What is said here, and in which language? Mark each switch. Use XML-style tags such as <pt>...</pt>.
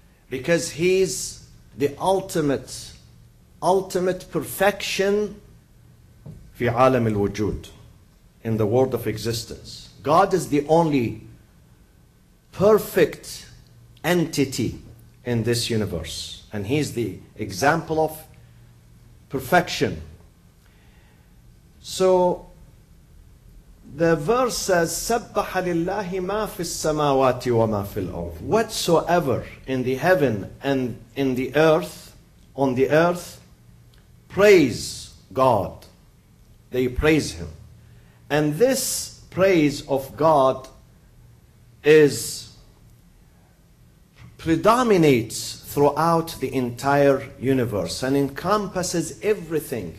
<en>Because he's the ultimate perfection</en> <ar>في عالم الوجود,</ar> <en>in the world of existence. God is the only perfect entity in this universe. And he's the example of perfection. So the verse says,</en> <ar>سَبَّحَ لِلَّهِ مَا فِي السَّمَاوَاتِ وَمَا فِي الْأَرْضِ.</ar> <en>Whatsoever in the heaven and in the earth, on the earth, praise God. They praise him. And this praise of God is predominates throughout the entire universe and encompasses everything.</en>